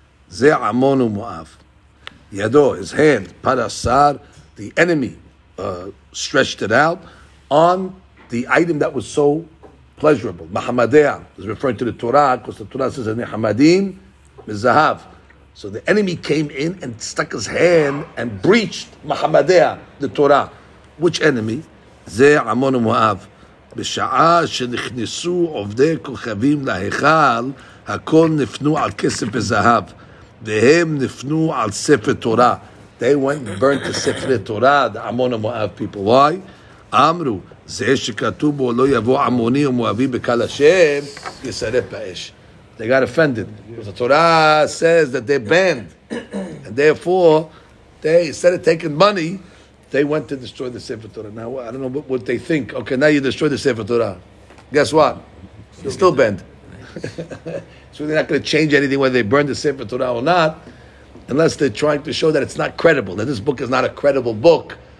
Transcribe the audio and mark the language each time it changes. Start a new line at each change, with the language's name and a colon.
English: Ze amon u mu'av. Yado, his hand, parasar, the enemy stretched it out on the item that was so pleasurable. Mahammadeha is referring to the Torah, because the Torah says, Nehamadim, mizahav. So the enemy came in and stuck his hand and breached Mahammadeha, the Torah. Which enemy? Ze amon u mu'av.
Hebrew: בשעה שנכנסו עובדי כוכבים להיכל, הכל נפנו על כסף וזהב, והם נפנו על ספר תורה.
English: They went and burnt the ספרי תורה, the Ammon and Moab people. Why?
Hebrew: אמרו, זה שכתוב בו לא יבוא אמוני ומואבי בקל השם, יסרף באש.
English: They got offended. Because the Torah says that they banned. And therefore, they, instead of taking money, they went to destroy the Sefer Torah. Now, I don't know what they think. Okay, now you destroy the Sefer Torah. Guess what? It's still banned. Nice. So they're not going to change anything, whether they burn the Sefer Torah or not, unless they're trying to show that it's not credible, that this book is not a credible book.